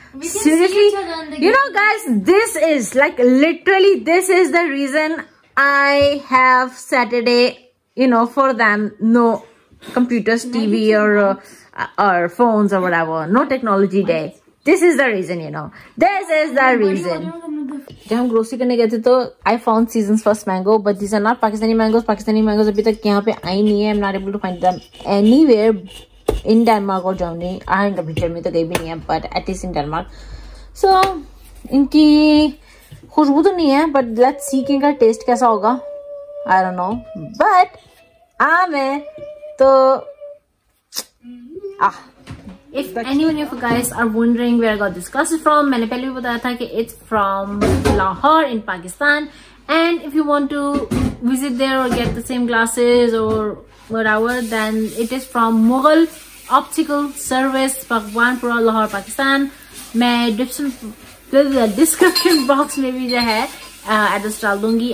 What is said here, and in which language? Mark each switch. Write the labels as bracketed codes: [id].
[en] Seriously, you know, guys, this is like literally this is the reason I have Saturday, you know, for them. No computers, TV, or phones or whatever. No technology day. This is the reason, you know. This is the reason. [hi] जब हम grocery करने गए थे तो [en] I found season's first mango but this are not Pakistani mangoes. [hi] Pakistani mangoes अभी तक यहाँ पे आई नहीं है. [en] I am not able to find them anywhere in Denmark और Germany. [hi] आई कभी जर्मनी तो गई भी नहीं है [en] But at least in Denmark. So [hi] इनकी खुशबू तो नहीं है [en] but let's see [hi] कि इनका टेस्ट कैसा होगा. [en] I don't know but [hi] आम है तो आ. [en] If anyone of you guys are wondering where I got this glasses from, [hi] मैंने पहले भी बताया था कि [en] it's from Lahore in Pakistan. And if you want to visit there or get the same glasses or whatever, then it is from Mughal Optical Service, Baghbanpura, Lahore, Pakistan. [hi] मैं description box में भी जो है address डाल दूंगी.